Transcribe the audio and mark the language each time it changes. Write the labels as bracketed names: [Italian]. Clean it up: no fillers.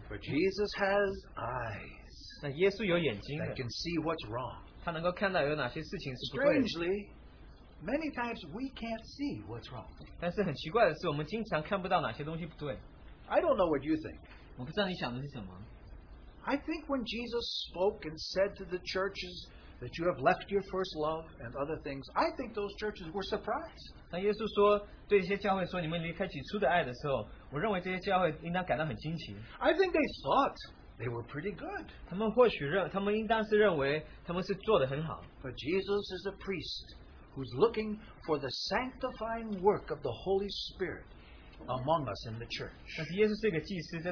[English] For Jesus has eyes. [Chinese] 那耶稣有眼睛的。 [English] That can see what's wrong. [Chinese] 他能够看到有哪些事情是不对的。 [English] Strangely, many times we can't see what's wrong. [Chinese] 但是很奇怪的是，我们经常看不到哪些东西不对。 [English] I don't know what you think. [Chinese] 我不知道你想的是什么。 [English] I think when Jesus spoke and said to the churches that you have left your first love and other things, I think those churches were surprised. [Chinese] 当耶稣说对这些教会说你们离开起初的爱的时候，我认为这些教会应当感到很惊奇。 [English] I think they thought they were pretty good. [Chinese] 他们或许认，他们应当是认为他们是做得很好。 [English] But Jesus is a priest who's looking for the sanctifying work of the Holy Spirit among us in the church.